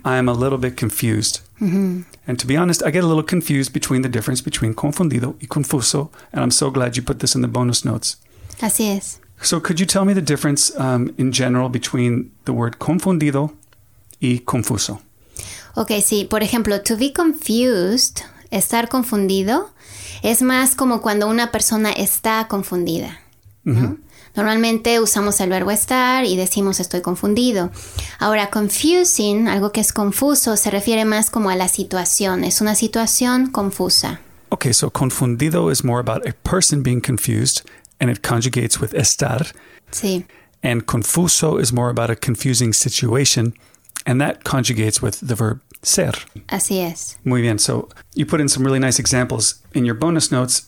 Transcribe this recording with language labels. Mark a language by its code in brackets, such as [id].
[en] I am a little bit confused. Mm-hmm. And to be honest, I get a little confused between the difference between confundido y confuso, and I'm so glad you put this in the bonus notes. [es] Así es. [en] So could you tell me the difference in general between the word confundido y confuso? [es] Okay, sí. Por ejemplo, [en] to be confused, [es] estar confundido, es más como cuando una persona está confundida. Mm-hmm. ¿No? Normalmente usamos el verbo estar y decimos estoy confundido. Ahora, confusing, algo que es confuso, se refiere más como a la situación. Es una situación confusa. [en] Okay, so confundido is more about a person being confused, and it conjugates with estar. [es] Sí. [en] And confuso is more about a confusing situation, and that conjugates with the verb ser. [es] Así es. Muy bien. [en] So you put in some really nice examples in your bonus notes.